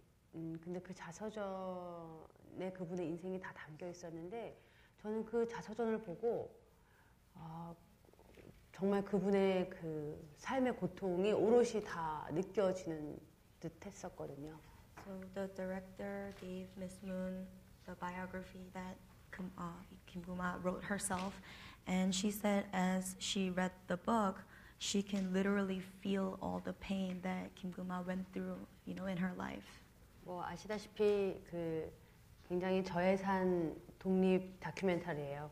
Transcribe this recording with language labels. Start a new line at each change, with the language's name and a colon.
Korean: 근데 그 자서전에 그분의 인생이 다 담겨 있었는데 저는 그 자서전을 보고 정말 그분의 그 삶의 고통이 오롯이 다 느껴지는 듯 했었거든요.
English: So the director gave Miss Moon the biography that Kim Keum-hwa wrote herself, and she said as she read the book, she can literally feel all the pain that Kim Keum-hwa went through, you know, in her life.
Korean: 뭐 아시다시피 그 굉장히 저예산 독립 다큐멘터리예요.